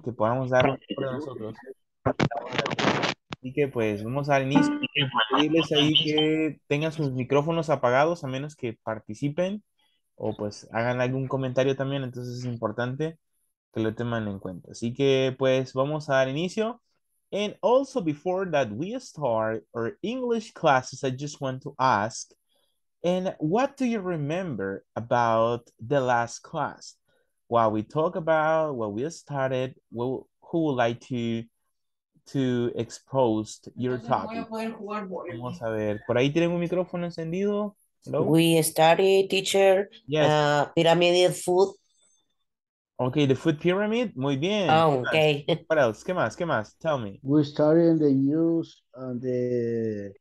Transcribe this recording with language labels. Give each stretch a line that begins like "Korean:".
Spanish: Que podamos dar por nosotros. Así que pues vamos al inicio. Pedirles ahí que tengan sus micrófonos apagados a menos que participen. O pues hagan algún comentario también, entonces es importante que lo tengan en cuenta. Así que pues vamos a dar inicio.
English: And also before that we start our English classes, I just want to ask, and what do you remember about the last class? While we talk about what we started, who would like to expose your topic?
Spanish: Vamos a ver, por ahí tienen un micrófono encendido.
English: Hello? We study, teacher. Yes. Pyramid food. Okay, the food pyramid.
Spanish: Muy bien.
English: Oh, okay. What else?
Spanish: ¿Qué más? ¿Qué más?
English: Tell me. We study in the news and the